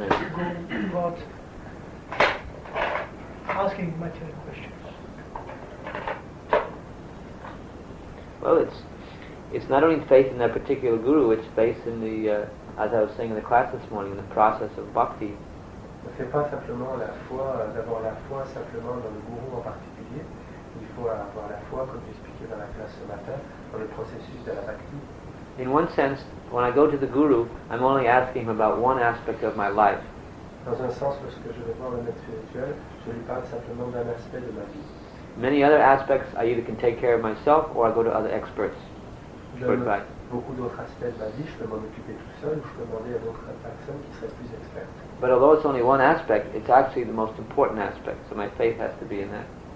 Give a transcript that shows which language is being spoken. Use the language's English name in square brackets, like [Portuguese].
[English] And to go about asking material questions. Well, it's not only faith in that particular guru, it's faith in the, as I was saying in the class this morning, the process of bhakti. [French] C'est pas simplement la foi, d'avoir la foi simplement dans le guru en particulier. Il faut avoir la foi, comme j'expliquais dans la classe ce matin, dans le processus de la bhakti. [English] In one sense, when I go to the guru, I'm only asking him about one aspect of my life. [French] Dans un sens, lorsque je vais voir le maître spirituel, je lui parle simplement d'un aspect de ma vie. [English] many other aspects I either can take care of myself or I go to other experts. But although it's only one aspect, it's actually the most important aspect, so my faith has to be in that.